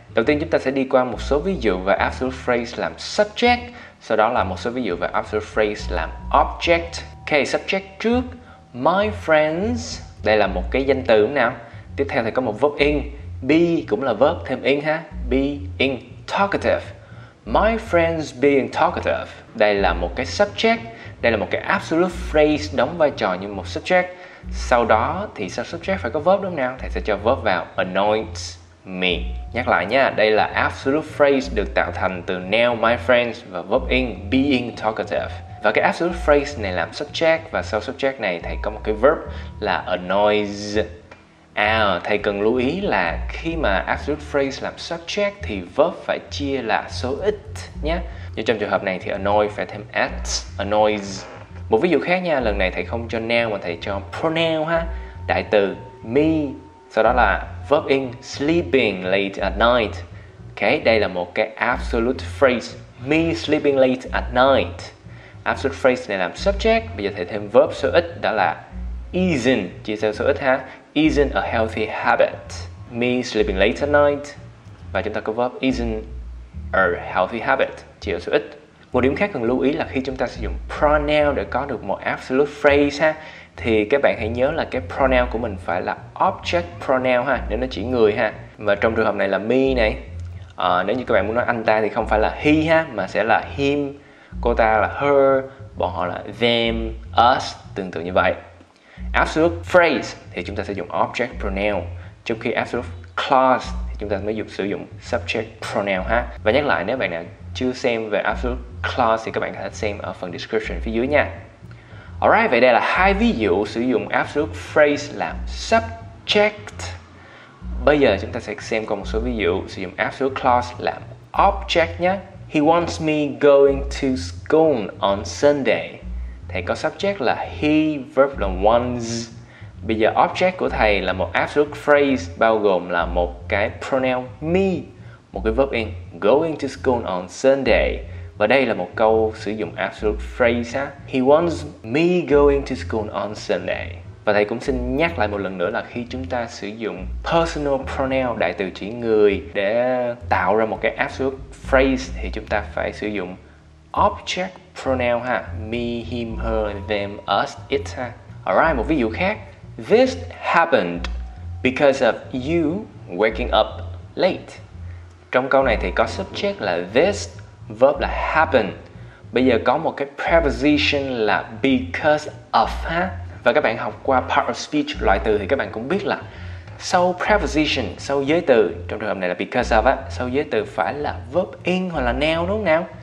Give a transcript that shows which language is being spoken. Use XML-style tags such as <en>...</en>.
<vi>Đầu tiên chúng ta sẽ đi qua một số ví dụ về absolute phrase làm subject. Sau đó là một số ví dụ về absolute phrase làm object. Ok, subject trước.</vi> <en>My friends.</en> <vi>Đây là một cái danh từ đúng không nào? Tiếp theo thì có một verb in. Be cũng là verb thêm in ha.</vi> <en>Being talkative. My friends being talkative.</en> <vi>Đây là một cái subject. Đây là một cái absolute phrase đóng vai trò như một subject. Sau đó thì sau subject phải có verb đúng không nào? Thầy sẽ cho verb vào.</vi> <en>Anoint me.</en> <vi>Nhắc lại nha, đây là absolute phrase được tạo thành từ noun</vi> <en>my friends</en> <vi>và verb in</vi> <en>being talkative.</en> <vi>Và cái absolute phrase này làm subject và sau subject này thầy có một cái verb là annoys. Thầy cần lưu ý là khi mà absolute phrase làm subject thì verb phải chia là số ít nhé. Như trong trường hợp này thì annoy phải thêm at,</vi> <en>annoys.</en> <vi>Một ví dụ khác nha, lần này thầy không cho noun mà thầy cho pronoun ha. Đại từ me, sau đó là verb in</vi> <en>sleeping late at night.</en> <vi>Ok, đây là một cái absolute phrase.</vi> <en>Me sleeping late at night.</en> <vi>Absolute phrase này làm subject, bây giờ thầy thêm verb số ít đó là isn't, chia theo số ít ha.</vi> <en>Isn't a healthy habit. Me sleeping late at night.</en> <vi>Và chúng ta có verb</vi> <en>isn't a healthy habit,</en> <vi>chỉ ở số ít. Một điểm khác cần lưu ý là khi chúng ta sử dụng pronoun để có được một absolute phrase ha, thì các bạn hãy nhớ là cái pronoun của mình phải là object pronoun ha, nếu nó chỉ người ha. Và trong trường hợp này là me này, nếu như các bạn muốn nói anh ta thì không phải là he ha, mà sẽ là him, cô ta là her, bọn họ là them, us, tương tự như vậy. Absolute phrase thì chúng ta sẽ dùng object pronoun, trong khi absolute clause thì chúng ta mới sử dụng subject pronoun ha. Và nhắc lại, nếu bạn nào chưa xem về absolute clause thì các bạn có thể xem ở phần description phía dưới nha. Alright, vậy đây là hai ví dụ sử dụng absolute phrase làm subject. Bây giờ chúng ta sẽ xem qua một số ví dụ sử dụng absolute clause làm object nhé.</vi> <en>He wants me going to school on Sunday.</en> <vi>Thầy có subject là he, verb là wants. Bây giờ object của thầy là một absolute phrase bao gồm là một cái pronoun me, một cái verb in</vi> <en>going to school on Sunday.</en> <vi>Và đây là một câu sử dụng absolute phrase ha.</vi> <en>He wants me going to school on Sunday.</en> <vi>Và thầy cũng xin nhắc lại một lần nữa là khi chúng ta sử dụng personal pronoun, đại từ chỉ người, để tạo ra một cái absolute phrase thì chúng ta phải sử dụng object pronoun ha.</vi> <en>Me, him, her, them, us, it ha. Alright,</en> <vi>một ví dụ khác.</vi> <en>This happened because of you waking up late.</en> <vi>Trong câu này thì có subject là this, verb là happen. Bây giờ có một cái preposition là because of ha. Và các bạn học qua part of speech, loại từ, thì các bạn cũng biết là sau preposition, sau giới từ, trong trường hợp này là because of á, sau giới từ phải là verb in hoặc là noun đúng không nào?</vi>